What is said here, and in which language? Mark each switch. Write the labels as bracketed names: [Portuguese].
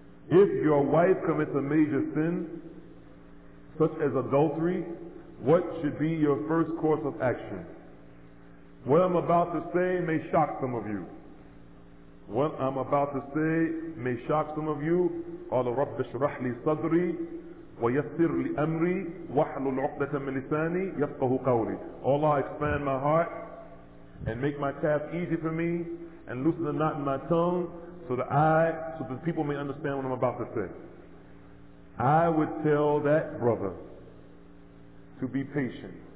[English] If your wife commits a major sin, such as adultery, what should be your first course of action? What I'm about to say may shock some of you. What I'm about to say may shock some of you. [Arabic] قال رب اشرح لي صدري ويسر لي أمري واحلل عقدة من لساني يفقه قولي. [English] Allah, expand my heart and make my task easy for me and loosen the knot in my tongue so the people may understand what I'm about to say. I would tell that brother to be patient.